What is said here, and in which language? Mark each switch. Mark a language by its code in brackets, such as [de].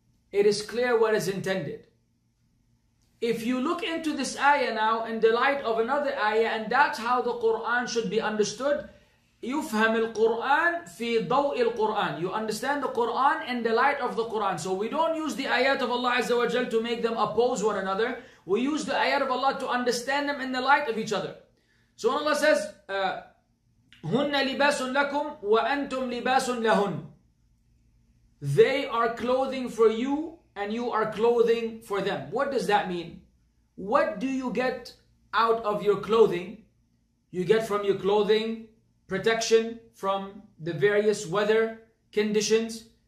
[en] It is clear what is intended. If you look into this ayah now in the light of another ayah, and that's how the Quran should be understood, [ar] يفهم القرآن في ضوء القرآن. [en] You understand the Quran in the light of the Quran. So we don't use the ayat of Allah Azza wa Jal to make them oppose one another. We use the ayat of Allah to understand them in the light of each other. So when Allah says, [ar] هن لباس لكم وأنتم لباس لهن. [en] They are clothing for you and you are clothing for them. What does that mean? What do you get out of your clothing? You get from your clothing protection from the various weather conditions.